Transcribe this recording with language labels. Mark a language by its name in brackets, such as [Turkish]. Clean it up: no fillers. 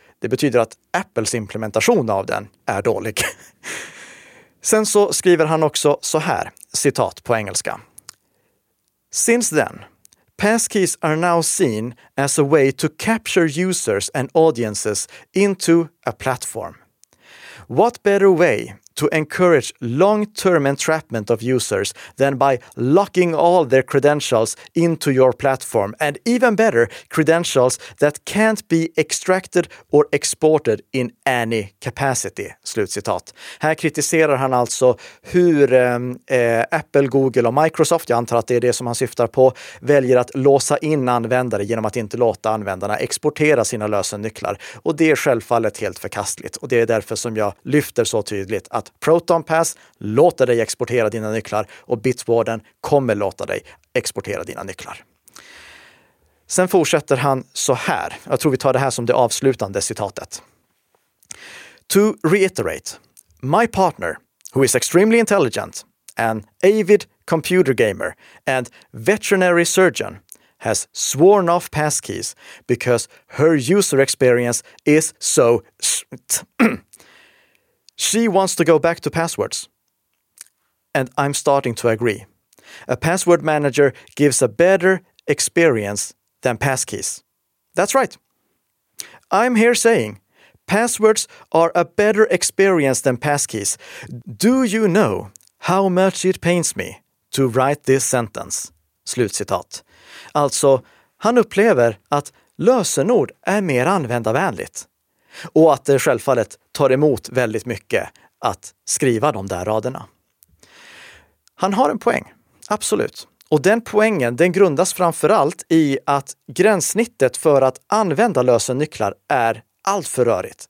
[Swedish] Det betyder att Apples implementation av den är dålig. Sen så skriver han också så här, citat på engelska. [English] Since then, passkeys are now seen as a way to capture users and audiences into a platform. What better way to encourage long-term entrapment of users than by locking all their credentials into your platform, and even better, credentials that can't be extracted or exported in any capacity. [Swedish] Slutcitat. Här kritiserar han alltså hur Apple, Google och Microsoft, jag antar att det är det som han syftar på, väljer att låsa in användare genom att inte låta användarna exportera sina lösenycklar. Och det är självfallet helt förkastligt. Och det är därför som jag lyfter så tydligt att ProtonPass låter dig exportera dina nycklar och Bitwarden kommer låta dig exportera dina nycklar. Sen fortsätter han så här. Jag tror vi tar det här som det avslutande citatet. [English] To reiterate, my partner, who is extremely intelligent, an avid computer gamer and veterinary surgeon, has sworn off passkeys because her user experience is so... She wants to go back to passwords. And I'm starting to agree. A password manager gives a better experience than passkeys. That's right. I'm here saying, passwords are a better experience than passkeys. Do you know how much it pains me to write this sentence? [Swedish] Slutcitat. Alltså, han upplever att lösenord är mer användarvänligt. Och att det självfallet tar emot väldigt mycket att skriva de där raderna. Han har en poäng, absolut. Och den poängen, den grundas framförallt i att gränssnittet för att använda lösenycklar är allt för rörigt.